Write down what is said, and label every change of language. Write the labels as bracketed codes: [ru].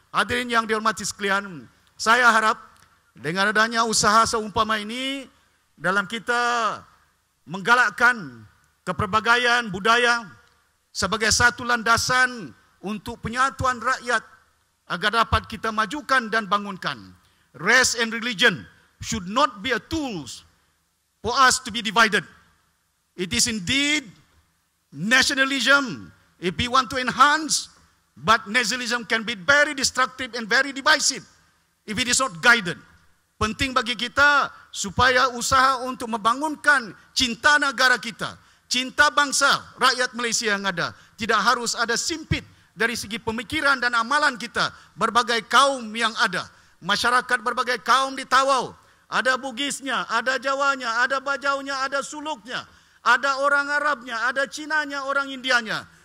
[ms] Hadirin yang dihormati sekalian, saya harap dengan adanya usaha seumpama ini dalam kita menggalakkan keperbagaian budaya sebagai satu landasan untuk penyatuan rakyat agar dapat kita majukan dan bangunkan. [en] Race and religion should not be a tools for us to be divided. It is indeed nationalism if we want to enhance, but nationalism can be very destructive and very divisive if it is not guided. [ms] Penting bagi kita supaya usaha untuk membangunkan cinta negara kita, cinta bangsa rakyat Malaysia yang ada, tidak harus ada simpit dari segi pemikiran dan amalan kita, berbagai kaum yang ada. Masyarakat berbagai kaum di Tawau, ada Bugisnya, ada Jawanya, ada Bajaunya, ada Suluknya, ada orang Arabnya, ada Cinanya, orang Indianya.